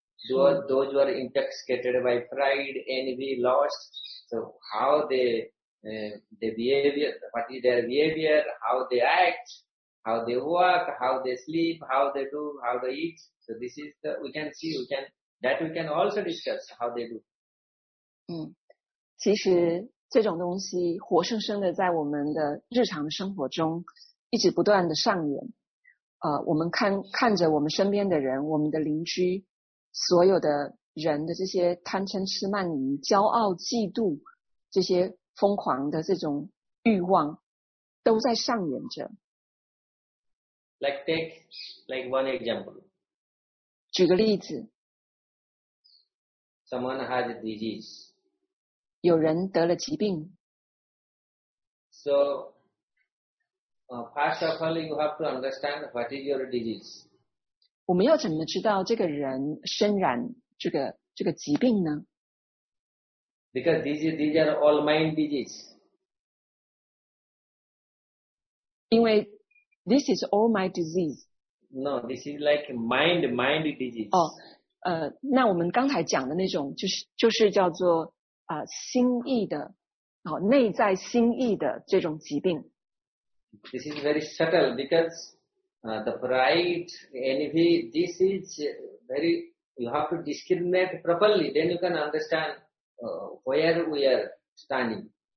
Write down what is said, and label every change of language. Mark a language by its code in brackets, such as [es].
[en] Those who are intoxicated by pride, envy, lust, so how they behavior, what is their behavior, how they act, how they work, how they sleep, how they do, how they eat. So this is the, we can see, we canThat we can also discuss how they do. [zh] 其实这种东西活生生的在我们的日常生活中一直不断的上演。我们看着我们身边的人，我们的邻居，所有的人的这些贪嗔痴慢疑、骄傲、嫉妒，这些疯狂的这种欲望，都在上演着。 [en] Like one example. [zh] 举个例子。 [en] Someone has a disease. [zh] 有人得了疾病。 [en] So, First of all, you have to understand what is your disease. [zh] 我们要怎么知道这个人身染这个疾病呢？ [en] Because these are all mind disease. [zh] 因为 [en] this is all my disease. No, this is like mind disease. [zh] 哦，那我们刚才讲的那种就是叫做心意的，好，内在心意的这种疾病。 [en] This is very subtle because the pride, envy, this is very, you have to discriminate properly, then you can understand where we are standing.